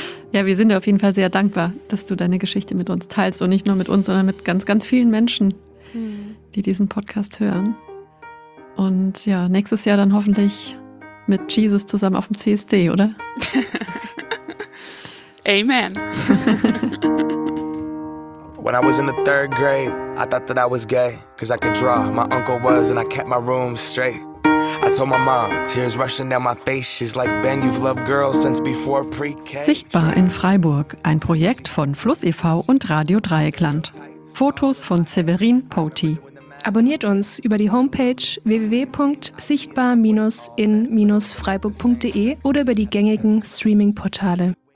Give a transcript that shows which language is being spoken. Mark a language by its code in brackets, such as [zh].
[de] Ja, wir sind dir auf jeden Fall sehr dankbar, dass du deine Geschichte mit uns teilst und nicht nur mit uns, sondern mit ganz, ganz vielen Menschen, die diesen Podcast hören. Und ja, nächstes Jahr dann hoffentlich mit Jesus zusammen auf dem CSD, oder? Amen. [en] When I was in the third grade, I thought that I was gay, 'cause I could draw, my uncle was, and I kept my room straight. I told my mom, tears rushing down my face, she's like, Ben, you've loved girls since before pre-K. [de] Sichtbar in Freiburg, ein Projekt von Fluss e.V. und Radio Dreieckland. Fotos von Severin Poti. Abonniert uns über die Homepage www.sichtbar-in-freiburg.de oder über die gängigen Streaming-Portale.